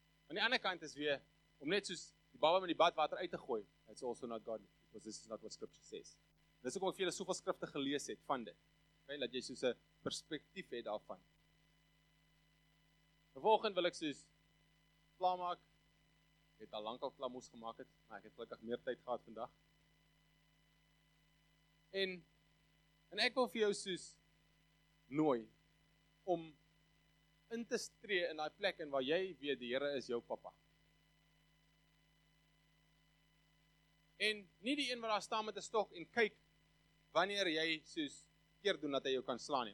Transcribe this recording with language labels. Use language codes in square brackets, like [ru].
[af] Aan die ander kant is weer, om net soos die baba met die badwater uit te gooi, [en] it's also not godly, because this is not what scripture says. [af] Dis ook om ek vir julle soveel skrifte gelees het van dit, okay, dat jy soos 'n perspektief het daarvan. Vervolgend wil ek soos klaar maak, ek het al lang al klaar moes gemaakt het, maar ek het gelukkig meer tyd gehad vandag. En ek wil vir jou soos nooi om in te stree in die plek in waar jy weet die Here is jou papa. En nie die een wat daar staan met 'n stok en kyk wanneer jy soos keer doen dat hy jou kan slaan nie.